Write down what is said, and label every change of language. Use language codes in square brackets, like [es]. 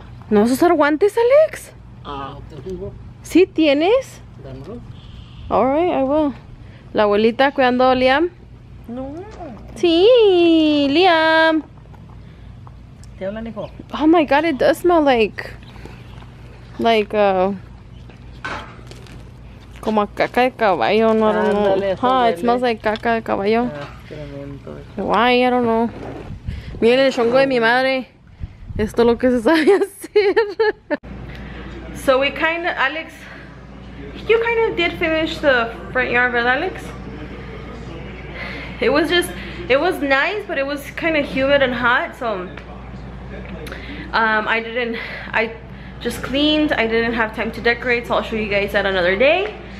[es] ¿No vas a usar guantes, Alex? ¿Sí tienes? [en] All right, I will. [es] ¿La abuelita cuidando a Liam? No. Sí, Liam. [en] Oh my god, it does smell like [es] como caca de caballo, no, [en] I don't know. Huh, it smells like [es] caca de caballo. [en] Why, I don't know. [es] Miren el chongo de mi madre. Esto es lo que se sabe hacer. [en] So we kind of, Alex, you kind of did finish the front yard, right, Alex? It was just, it was nice, but it was kind of humid and hot, so I just cleaned, I didn't have time to decorate, so I'll show you guys that another day.